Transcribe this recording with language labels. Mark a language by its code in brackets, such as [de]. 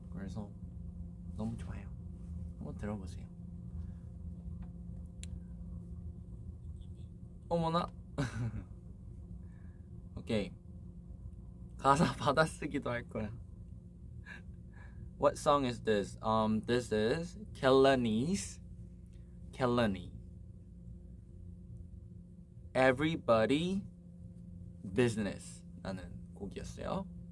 [ko] 그래서 너무 좋아요. 한번 들어보세요. 어머나. 오케이. 가사 받아쓰기도 할 거야. [en] What song is this? This is Kellani's Kellani. [ko] Everybody Business 라는 곡이었어요.